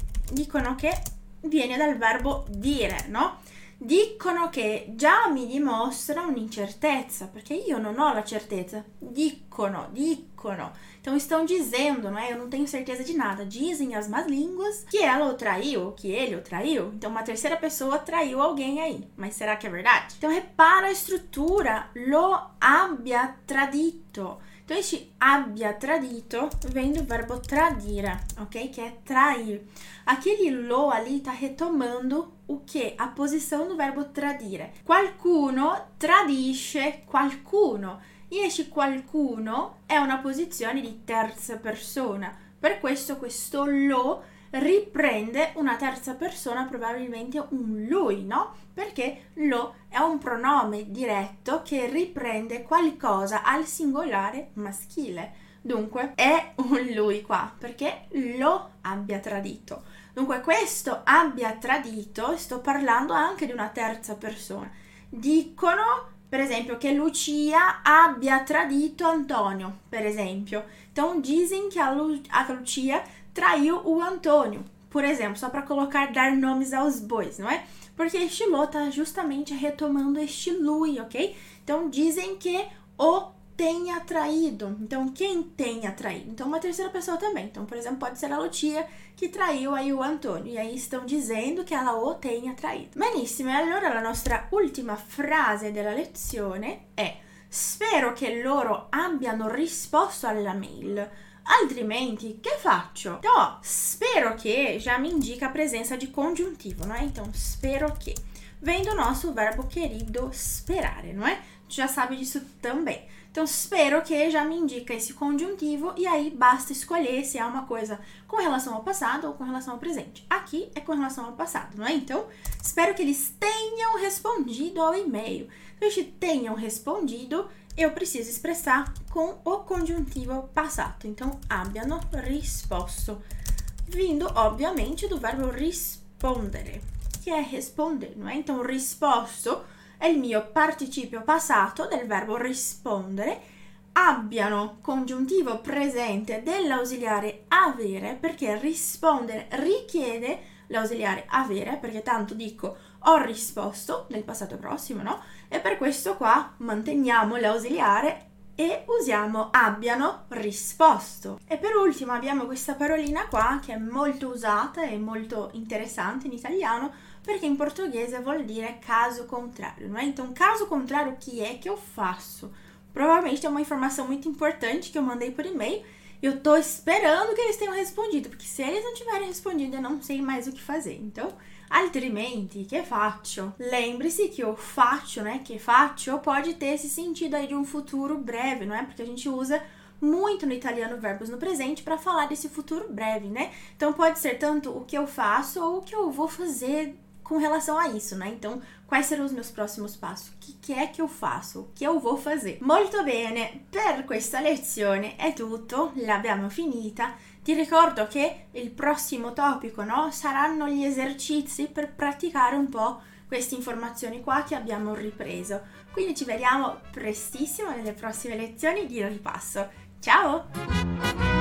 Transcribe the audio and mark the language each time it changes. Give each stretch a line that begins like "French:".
Italian: Dicono che viene dal verbo dire, no? Dicono che già mi dimostra un'incertezza, perché io non ho la certezza. Dicono.
Portuguese: Então, estão dizendo, não é? Eu não tenho certeza de nada. Dizem as más línguas que ela o traiu, que ele o traiu. Então, uma terceira pessoa traiu alguém aí. Mas será que é verdade? Então, repara a estrutura
Italian: lo abbia tradito.
Portuguese: Então, este
Italian: abbia tradito
Portuguese: vem do verbo tradire, ok?
Italian: Che è
Portuguese: trair. Aquele lo ali está retomando o quê? A posição do verbo tradire.
Italian: Qualcuno tradisce qualcuno.
Portuguese: E esse qualcuno é uma
Italian: posizione di terza persona. Per questo lo riprende una terza persona, probabilmente un lui, no? Perché lo è un pronome diretto che riprende qualcosa al singolare maschile. Dunque, è un lui qua, perché lo abbia tradito. Dunque, questo abbia tradito, sto parlando anche di una terza persona. Dicono, per esempio, che Lucia abbia tradito Antonio, per esempio.
Portuguese: Então, dizem
Italian: che
Portuguese: a Lucia traiu o Antonio, por exemplo, só para colocar, dar nomes aos bois, não é? Porque este lo está justamente retomando este lui, ok? Então, dizem que o tenha traído. Então, quem tenha traído? Então, uma terceira pessoa também. Então, por exemplo, pode ser a Lucia que traiu aí o Antônio. E aí estão dizendo que ela o tenha traído.
Italian: Benissimo, e allora la nostra ultima frase della lezione è: Spero che loro abbiano risposto alla mail. Altrimenti, che faccio?
Portuguese: Então,
Italian: spero che
Portuguese: já me indica a presença de congiuntivo, não é? Então,
Italian: spero che.
Portuguese: Vem do nosso verbo querido sperare, não é? Tu já sabe disso também. Então,
Italian: spero che
Portuguese: já me indica esse congiuntivo e aí basta escolher se é uma coisa com relação ao passado ou com relação ao presente. Aqui é com relação ao passado, não é? Então, espero que eles tenham respondido ao e-mail. Se eles tenham respondido, eu preciso expressar com o congiuntivo passato. Então,
Italian: abbiano risposto.
Portuguese: Vindo, obviamente, do verbo rispondere, que é responder, não é? Então, risposto é o meu
Italian: participio passato del verbo rispondere. Abbiano, congiuntivo presente dell'ausiliare avere, perché rispondere richiede l'ausiliare avere, perché tanto dico ho risposto nel passato prossimo, no? E per questo qua manteniamo l'ausiliare e usiamo abbiano risposto. E per ultimo abbiamo questa parolina qua che è molto usata e molto interessante in italiano, perché in portoghese vuol dire caso contrario,
Portuguese: não é? Então, caso contrario,
Italian: chi è che
Portuguese: eu faço? Provavelmente é uma informação muito importante que eu mandei por e-mail. Eu tô esperando que eles tenham respondido, porque se eles não tiverem respondido, eu não sei mais o que fazer. Então,
Italian: altrimenti, che faccio?
Portuguese: Lembre-se que o faccio, né?
Italian: Che faccio
Portuguese: pode ter esse sentido aí de um futuro breve, não é? Porque a gente usa muito no italiano verbos no presente para falar desse futuro breve, né? Então, pode ser tanto o que eu faço ou o que eu vou fazer com relação a isso, né? Então, quais serão os meus próximos passos? O que é que eu faço? O que eu vou fazer?
Italian: Molto bene! Per questa lezione è tutto, l'abbiamo finita. Ti ricordo che il prossimo topico, no? Saranno gli esercizi per praticare un po' queste informazioni qua che abbiamo ripreso. Quindi ci vediamo prestissimo nelle prossime lezioni di Ripasso. Ciao!